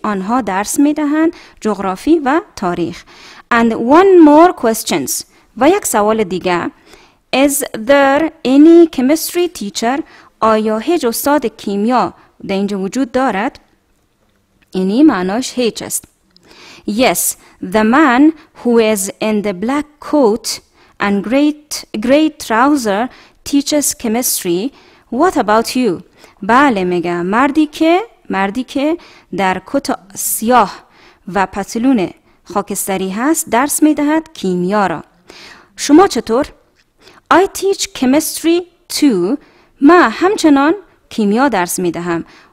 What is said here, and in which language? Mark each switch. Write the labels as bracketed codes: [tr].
[fa] آنها درس می دهند جغرافی و تاریخ. [en] And one more questions. [fa] و یک سوال دیگر. [en] Is there any chemistry teacher? [fa] آیا هیچ استاد کیمیا در اینجا وجود دارد؟ اینی معناش هیچ است. [en] Yes, the man who is in the black coat and great trouser teaches chemistry. What about you? [fa] بله میگه مردی که در کت سیاه و پتلون خاکستری هست درس میدهد کیمیا را. شما چطور؟ [en] I teach chemistry too. [fa] ما همچنان کیمیا درس می دهم.